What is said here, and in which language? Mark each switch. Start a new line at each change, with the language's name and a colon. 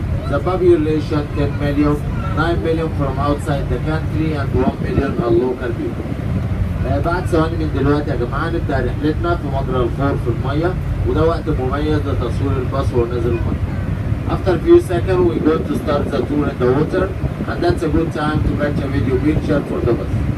English: The population, 10 million, 9 million from outside the country and 1 million are local people.
Arabic: بعد ثواني من دلوقتي يا جماعة نبدأ رحلتنا في مجرى الفور في المية, وده وقت مميز لتصوير الباص ونزل المية.
English: After a few seconds we're going to start the tour in the water and that's a good time to catch a video picture for the bus.